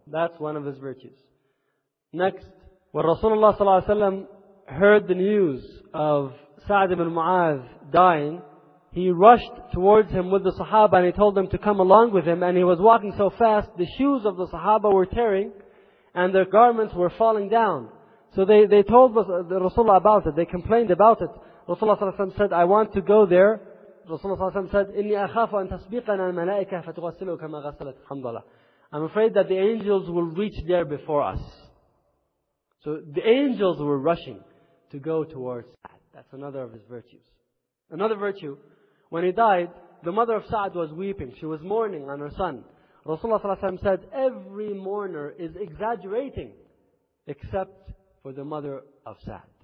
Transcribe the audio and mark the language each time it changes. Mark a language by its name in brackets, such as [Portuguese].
[English] That's one of his virtues. Next, when Rasulullah sallallahu alaihi wasallam heard the news of Sa'd ibn Mu'adh dying, he rushed towards him with the Sahaba and he told them to come along with him, and he was walking so fast, the shoes of the Sahaba were tearing and their garments were falling down. So they told the Rasulullah about it. They complained about it. Rasulullah ﷺ said, I want to go there. Rasulullah ﷺ said, [Arabic] إِنِّي أَخَافُ أَن تَسْبِقَنَا الْمَلَائِكَةَ فَتُغَسِّلُوا كَمَا غَسَّلَتْ. Alhamdulillah. [English] I'm afraid that the angels will reach there before us. So the angels were rushing to go towards Sa'd. That's another of his virtues. Another virtue, when he died, the mother of Sa'd was weeping. She was mourning on her son. Rasulullah ﷺ said, every mourner is exaggerating, except for the mother of Sa'd.